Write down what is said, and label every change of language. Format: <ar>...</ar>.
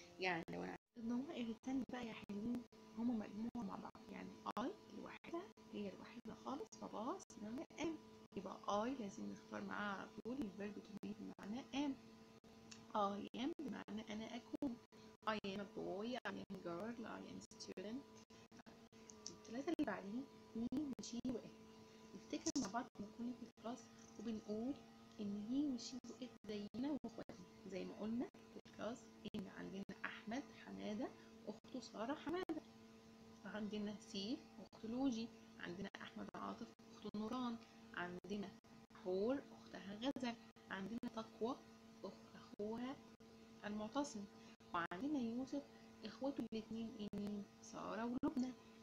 <ar>يعني لو الضمائر التانيه بقى يا حلوين هم مجموعه مع بعض يعني اي الواحده هي الوحيده خالص خلاص معناها ام. يبقى اي لازم نختار معاها على طول الفيرب تو بي بمعنى ام.</ar> <en>I am</en> <ar>بمعنى أنا أكون.</ar> <en>I am a boy, I am a girl, I am a student.</en> <ar>الثلاثة اللي بعدين مين وشي وإيه؟ نفتكر مع بعض لما كنا في الكلاس وبنقول إن هي وشي وإيه زينا وإخواتنا، زي ما قلنا في الكلاس إن عندنا أحمد حمادة أخته سارة حمادة، عندنا سيف أخته لوجي، عندنا أحمد عاطف أخته نوران، عندنا حور أختها غزل، عندنا تقوى أخوها المعتصم، وعندنا يوسف إخواته الاثنين مين؟ سارة ولبنى.</ar>